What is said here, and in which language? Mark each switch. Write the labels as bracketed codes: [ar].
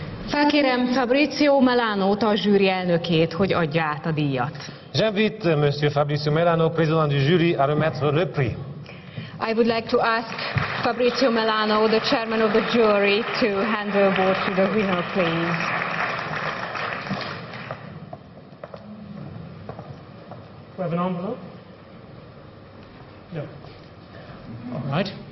[hu] Megkérem Fabrizio Melanót, a zsűri elnökét, hogy adja át a díjat. [fr] J'invite Monsieur Fabrizio Melano, président du jury, à remettre le prix. [en] I would like to ask Fabrizio Melano, the chairman of the jury, to hand the award to the winner, please. We have an envelope? No. All right.